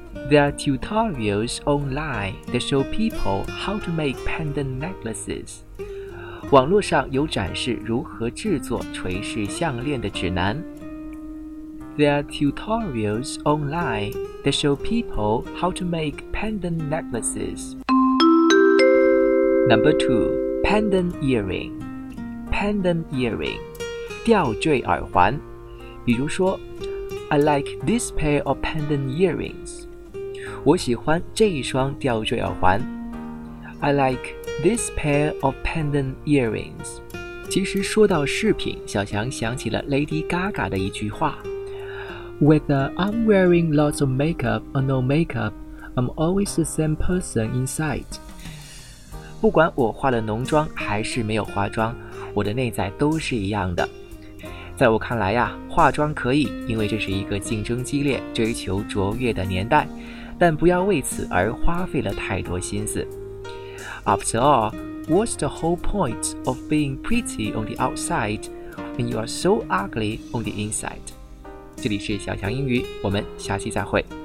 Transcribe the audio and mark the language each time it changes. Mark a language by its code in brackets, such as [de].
[en] There are tutorials online that show people how to make pendant necklaces. [zh] 网络上有展示如何制作垂饰项链的指南。 [en] There are tutorials online that show people how to make pendant necklaces. Number two, pendant earring, [zh] 吊坠耳环。比如说 [en] ，I like this pair of pendant earrings. [zh] 我喜欢这一双吊坠耳环。 [en] I like this pair of pendant earrings. [zh] 其实说到饰品，小强想起了 Lady Gaga 的一句话。 [en] Whether I'm wearing lots of makeup or no makeup, I'm always the same person inside. [zh] 不管我化了浓妆还是没有化妆，我的内在都是一样的。在我看来呀，化妆可以，因为这是一个竞争激烈、追求卓越的年代，但不要为此而花费了太多心思。 [en] After all, what's the whole point of being pretty on the outside when you are so ugly on the inside? [zh] 这里是小强英语，我们下期再会。